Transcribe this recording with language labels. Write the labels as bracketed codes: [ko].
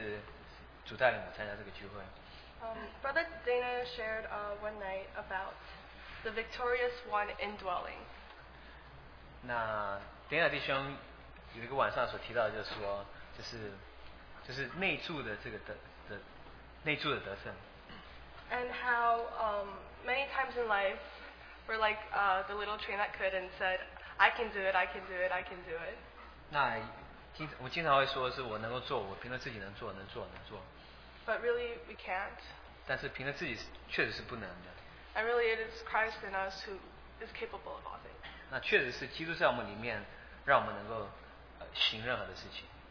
[zh] 我们的主也解决了一切的问题，那我现在也深信说，确实是主带领我参加这个聚会。 [en] Brother Dana shared one night about the victorious one indwelling. [zh] 那 Dana 弟兄有一个晚上所提到的，就是说，就是内住的这个的内住的得胜。 [en] And how many times in life we're like the little train that could and said, I can do it, I can do it, I can do it. [zh] 那我经常会说是我能够做，我凭着自己能做。 [en] But really, we can't. [zh] 但是凭着自己确实是不能的。 [en] And really, it is Christ in us who is capable of all things. [zh] 那确实是基督在我们里面让我们能够行任何的事情。